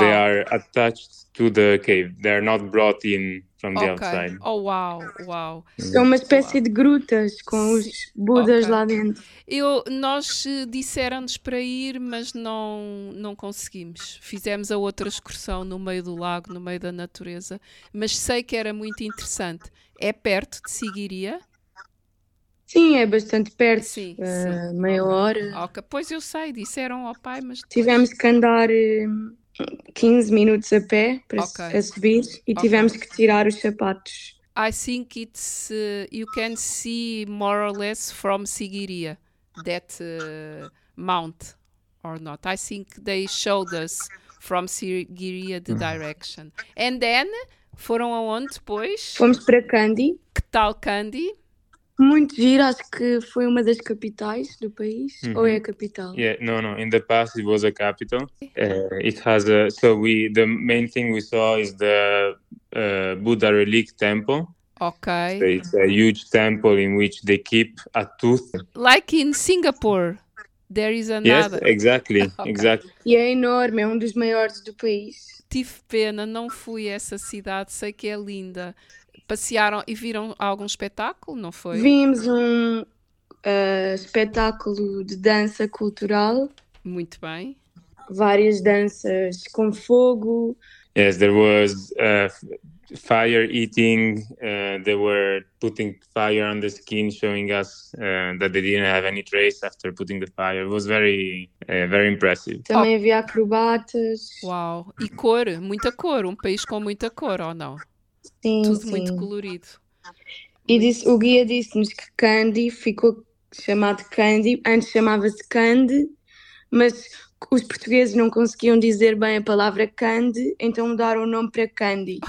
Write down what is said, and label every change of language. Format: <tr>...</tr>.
<en>They are attached to the cave. They are not brought in from the outside. Oh, wow, wow.</en> <pt>São uma espécie de grutas com os Budas lá dentro. Nós disseram-nos para ir, mas não conseguimos. Fizemos a outra excursão no meio do lago, no meio da natureza. Mas sei que era muito interessante. É perto de Siguiria? Sim, é bastante perto, sim, sim. Meia hora. Okay. Pois eu sei, disseram ao pai, mas... Depois... Tivemos que andar 15 minutos a pé para a subir e tivemos que tirar os sapatos.</pt> <en>I think it's, you can see more or less from Siguiria, that mount or not. I think they showed us from Siguiria the direction. And then,</en> <pt>foram aonde depois? Fomos para Kandy. Que tal Kandy? Muito giro, acho que foi uma das capitais do país, ou é a capital?</pt> <en>Yeah, no, in the past it was a capital. It has a, so we, the main thing we saw is the Buddha relic temple. Okay. So it's a huge temple in which they keep a tooth. Like in Singapore, there is another. Yes, exactly, exactly.</en> <pt>E é enorme, é um dos maiores do país. Tive pena, não fui a essa cidade, sei que é linda. Passearam e viram algum espetáculo, não foi? Vimos um espetáculo de dança cultural. Muito bem. Várias danças com fogo.</pt> <en>Yes, there was fire eating. They were putting fire on the skin, showing us that they didn't have any trace after putting the fire. It was very, very impressive.</en> <pt>Também havia acrobatas. Uau, e cor, muita cor, um país com muita cor, ou não? Sim, tudo sim. Muito colorido. E disse, o guia disse-nos que Kandy ficou chamado Kandy, antes chamava-se Kandy, mas os portugueses não conseguiam dizer bem a palavra Kandy, então mudaram o nome para Kandy.</pt>